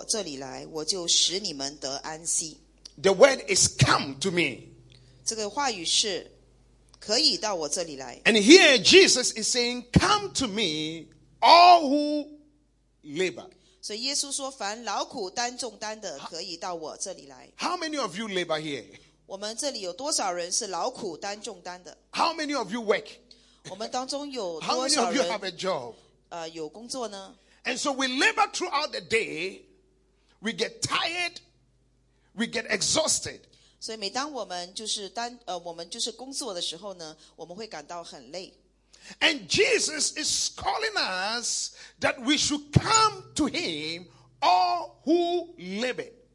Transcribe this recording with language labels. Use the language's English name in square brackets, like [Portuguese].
[Chinese] 凡劳苦担重担的人可以到我这里来,我就使你们得安息。 [English] The word is, Come to me. [Chinese] 这个话语是, 可以到我这里来。 [English] And here Jesus is saying, Come to me, all who labor. [Chinese] 所以耶稣说,凡劳苦担重担的可以到我这里来。 [English] How many of you labor here? [Chinese] 我们这里有多少人是劳苦担重担的? [English] How many of you work? [Chinese] 我们当中有多少人, [English] How many of you have a job? [Chinese] 有工作呢? [English] And so we labor throughout the day, we get tired, we get exhausted. [Chinese] 所以每当我们就是工作的时候呢,我们会感到很累。 [English] And Jesus is calling us that we should come to him, all who labor.